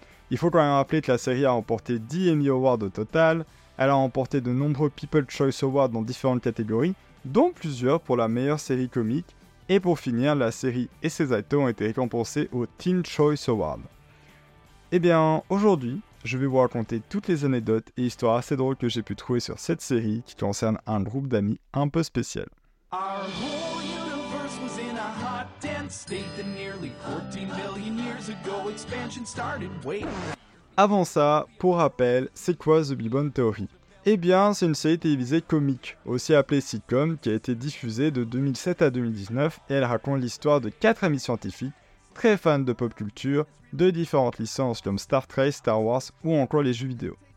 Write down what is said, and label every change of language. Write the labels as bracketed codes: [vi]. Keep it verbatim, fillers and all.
[fr] Il faut quand même rappeler que la série a remporté dix Emmy Awards au total, elle a remporté de nombreux People's Choice Awards dans différentes catégories, dont plusieurs pour la meilleure série comique, et pour finir, la série et ses acteurs ont été récompensés au Teen Choice Award. Eh bien, aujourd'hui, je vais vous raconter toutes les anecdotes et histoires assez drôles que j'ai pu trouver sur cette série qui concerne un groupe d'amis un peu spécial. [en] Our whole universe was in a hot, dense state that nearly fourteen billion years ago expansion started. Wait. [fr] Avant ça, pour rappel, c'est quoi The Big Bang Theory ? Eh bien, c'est une série télévisée comique, aussi appelée sitcom, qui a été diffusée de deux mille sept à deux mille dix-neuf et elle raconte l'histoire de quatre amis scientifiques très fans de pop culture, de différentes licences comme Star Trek, Star Wars ou encore les jeux vidéo.